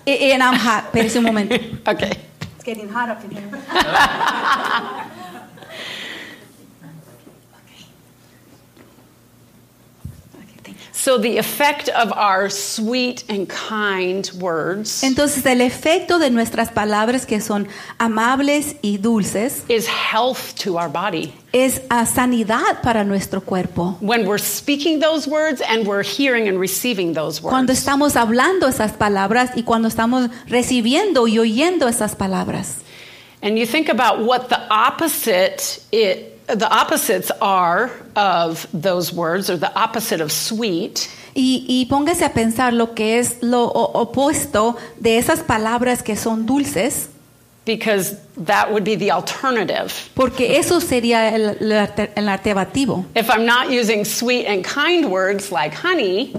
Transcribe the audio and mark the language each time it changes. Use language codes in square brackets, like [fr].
[en] And I'm hot. [es] Pérese un momento. [en] Okay. It's getting hot up in here. So So the effect of our sweet and kind words. [es] Entonces el efecto de nuestras palabras que son amables y dulces [en] is health to our body. [es] Es a sanidad para nuestro cuerpo. [en] When we're speaking those words and we're hearing and receiving those words. [es] Cuando estamos hablando esas palabras y cuando estamos recibiendo y oyendo esas palabras. [en] And you think about what the opposite it the opposites are of those words, or the opposite of sweet. [es] Y póngase a pensar lo que es lo opuesto de esas palabras que son dulces. [en] Because that would be the alternative. [es] Porque eso sería el alternativo. [en] If I'm not using sweet and kind words like honey,